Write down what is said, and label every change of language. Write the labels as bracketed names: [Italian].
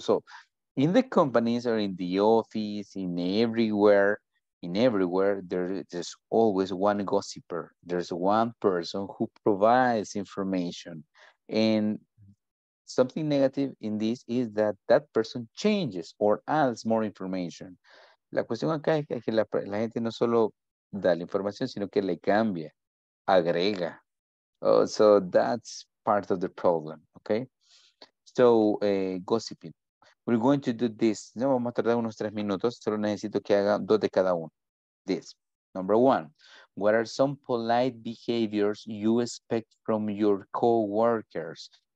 [English] So, in the companies or in the office, in everywhere, there's always one gossiper. There's one person who provides information. And something negative in this is that that person changes or adds more information. [Spanish] La cuestión acá es que la gente no solo da la información, sino que le cambia, agrega. [English] Oh, so that's part of the problem, okay? So, gossiping. We're going to do this. [Spanish] No, vamos a tardar unos 3 minutos. Solo necesito que haga 2 de cada uno. [English] This. Number one. What are some polite behaviors you expect from your co-workers?